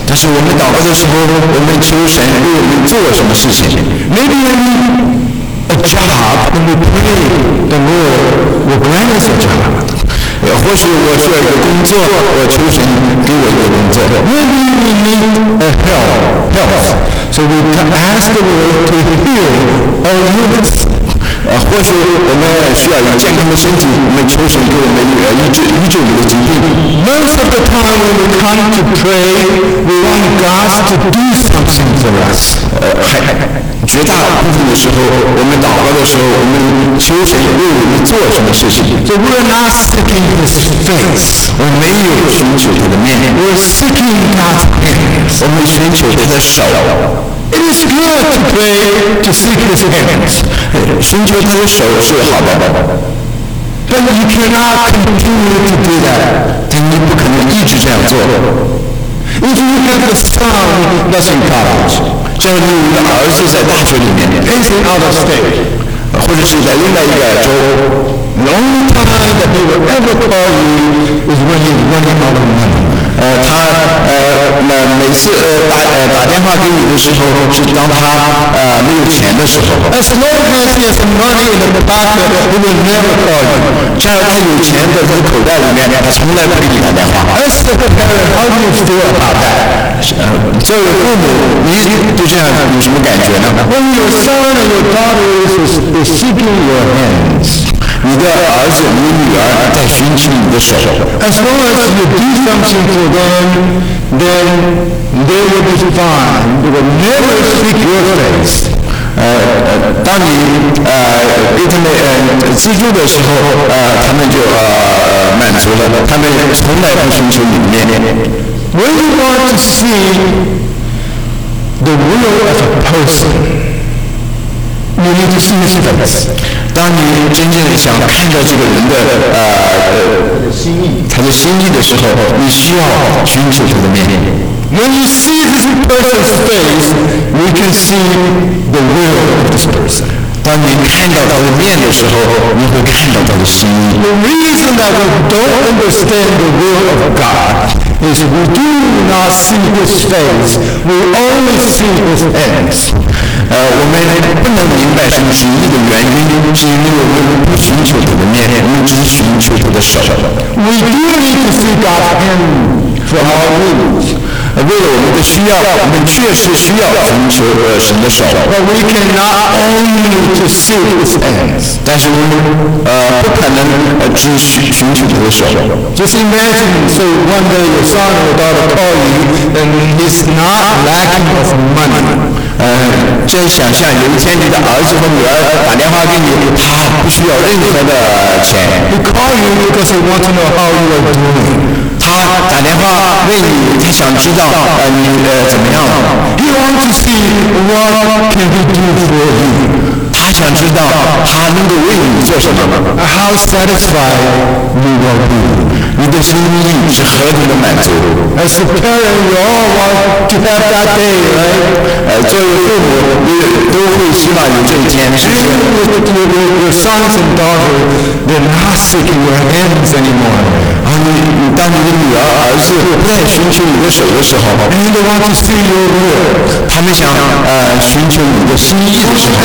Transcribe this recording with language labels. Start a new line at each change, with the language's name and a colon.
Chinese: 但是我们祷告的时候，我们求神为我们做什么事情
English: ？Maybe we need a job when we pray, the Lord will grant us a job.
Chinese: 或许我需要一个工作，我求神给我一个工作。
English: Maybe we need a health, so we can ask the Lord to heal our illness.
Chinese: 或许我们需要一个健康的身体，我们求神给我们一个医治我们的疾病。
English: Most of the time when we come to pray, we want God to do something for us.
Chinese: 绝大部分的时候，我们祷告的时候，我们求神为我们做什么事情
English: ？So we are not seeking His face.
Chinese: 我们没有寻求他的面。
English: We are seeking God's hands.
Chinese: 我们寻求他的手。
English: It is good to pray to seek His hands.
Chinese: 寻求他的手是好的。
English: But you cannot continue to do that.
Chinese: 但你不可能一直这样做。
English: If you have a son that's in college.
Chinese: 就是你有一个儿子在大学里面
English: ，facing out of state，
Chinese: 或者是在另外一个州。
English: The only time that he will ever call you is when he's running out of money。
Chinese: 他每次打电话给你的时候，是当他没有钱的时候。
English: As long as he has money in the bank, he will never call you。
Chinese: 只要他有钱在他口袋里面，他从来不给你打电话。
English: As a parent, how do you feel about that?
Chinese: 作为父母，你对这样有什么感觉呢
English: ？When your son or your daughter is seeking your hands，
Chinese: 你的儿子、你女儿在寻求你的手。
English: As long as you do something for them, then they will be fine. They will never seek your face.
Chinese: 当你给他们资助的时候，他们就满足了，他们从来不寻求你的面。
English: When you want to see the will of a person, you need to see his face.
Chinese: 当你真正想看到这个人的他的心意的时候，你需要寻求他的面。
English: When you see this person's face, we can see the will of this person.
Chinese: 当你看到他的面的时候，你会看到他的心意。
English: The reason that we don't understand the will of God is we do not see His face. We only see His hands.
Chinese: 我们不能明白神旨意的原因，是因为我们不寻求他的面，我们只寻求他的手。
English: We do need to see God's hand for our needs.
Chinese: 为了我们的需要，我们确实需要寻求神的手。
English: But we cannot only to see His hands.
Chinese: 但是我们不可能只寻求他的手。
English: Just imagine, so one day your son or daughter call you, and he's not lacking of money.
Chinese: 真想象有一天你的儿子和女儿打电话给你，他不需要任何的钱。
English: He call you because he want to know how you are doing.
Chinese: 他打电话问你，他想知道你怎么样了。
English: He wants to see what can he do for you.
Chinese: 他想知道他能够为你做什么。
English: How satisfied you will be.
Chinese: 你的心意是何等的满足。
English: As a parent, you all want to have that day, right?
Chinese: 作为父母，你都会希望有这一天。
English: Your sons and daughters, they're not seeking your hands anymore.
Chinese: 当你的女儿儿子不再寻求你的手的时候
English: ，And they want to see your will，
Chinese: 他们想寻求你的心意的时候